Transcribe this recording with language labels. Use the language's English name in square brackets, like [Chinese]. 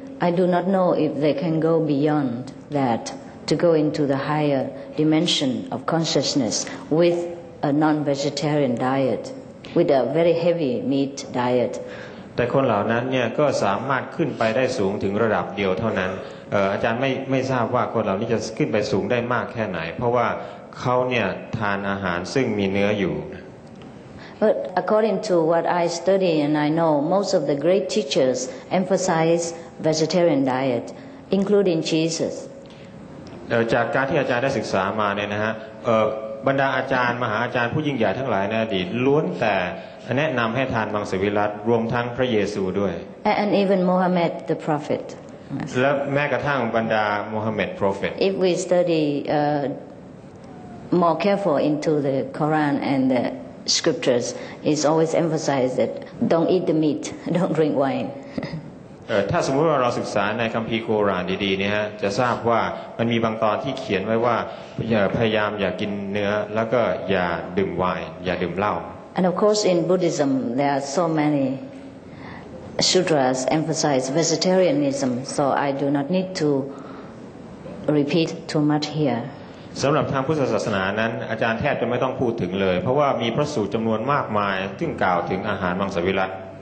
[English] I do not know if they can go beyond that to go into the higher dimension of consciousness with a non-vegetarian diet, with a very heavy meat diet. [Thai] แต่คนเหล่านั้นเนี่ยก็สามารถขึ้นไปได้สูงถึงระดับเดียวเท่านั้นอาจารย์ไม่ทราบว่าคนเหล่านี้จะขึ้นไปสูงได้มากแค่ไหนเพราะว่าเขาเนี่ยทานอาหารซึ่งมีเนื้ออยู่ [English] But according to what I study and I know, most of the great teachers emphasize vegetarian diet, including Jesus. [Thai] จากการที่อาจารย์ได้ศึกษามาเนี่ยนะฮะบรรดาอาจารย์มหาอาจารย์ผู้ยิ่งใหญ่ทั้งหลายในอดีตล้วนแต่แนะนำให้ทานมังสวิรัติรวมทั้งพระเยซูด้วย [English] And even Muhammad the prophet. [Thai] และแม้กระทั่งบรรดา Muhammad prophet. [English] If we study more careful into the Quran and theScriptures is always emphasized that don't eat the meat, don't drink wine. [Thai] ถ้าสมมติว่าเราศึกษาในคัมภีร์กุรอานดีๆเนี่ยฮะจะทราบว่ามันมีบางตอนที่เขียนไว้ว่าพยายามอย่ากินเนื้อแล้วก็อย่าดื่มไวน์อย่าดื่มเหล้า [English] And of course in Buddhism there are so many sutras emphasize vegetarianism so I do not need to repeat too much here [Thai] สำหรับทางพุทธศาสนานั้นอาจารย์แทบจะไม่ต้องพูดถึงเลยเพราะว่ามีพระสูตรจำนวนมากมายซึ่งกล่าวถึงอาหารมังสวิรัติ